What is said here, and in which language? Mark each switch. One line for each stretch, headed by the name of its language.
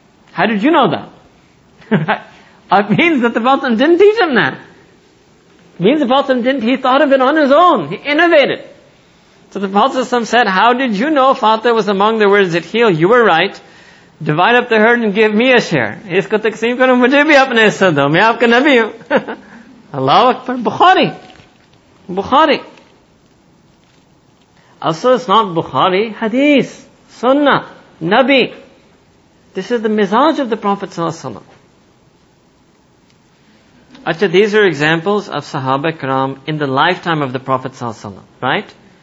English: How did you know that? It means that the Prophet didn't teach him that. It means the Prophet didn't, he thought of it on his own. He innovated. So the Prophet said, how did you know Fatiha was among the words that heal? You were right. Divide up the herd and give me a share.
Urdu: اسکو تقسیم کرو مجھے بھی اپنے حصہ دو۔ میں آپکا نبی ہوں۔
Arabic: Allahu Akbar.
English: Bukhari. Bukhari. Also it's not Bukhari. Hadith. Sunnah. Nabi. This is the mizaj of the Prophet ﷺ. Acha, these are examples of Sahaba Ikram in the lifetime of the Prophet ﷺ, right?